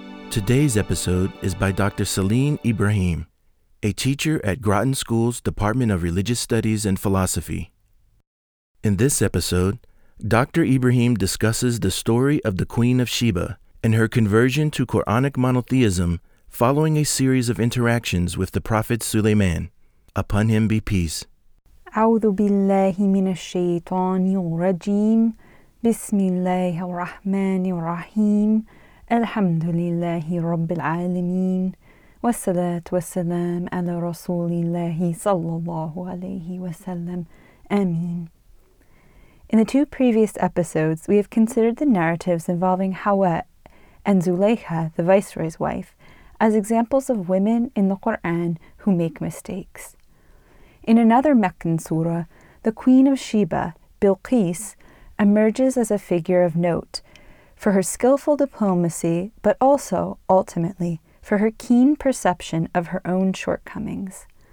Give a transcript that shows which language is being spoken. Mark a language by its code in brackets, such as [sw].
[en] Today's episode is by Dr. Celine Ibrahim, a teacher at Groton School's Department of Religious Studies and Philosophy. In this episode, Dr. Ibrahim discusses the story of the Queen of Sheba and her conversion to Quranic monotheism following a series of interactions with the Prophet Sulaiman, upon him be peace. [ar] أعوذ بالله من الشيطان الرجيم بسم الله الرحمن الرحيم الحمد لله رب العالمين والصلاة والسلام على رسول الله صلى الله عليه وسلم آمين. [en] In the two previous episodes, we have considered the narratives involving Hawa and Zulaikha, the viceroy's wife, as examples of women in the Quran who make mistakes. In another Meccan surah, the Queen of Sheba, Bilqis, emerges as a figure of note for her skillful diplomacy, but also, ultimately, for her keen perception of her own shortcomings.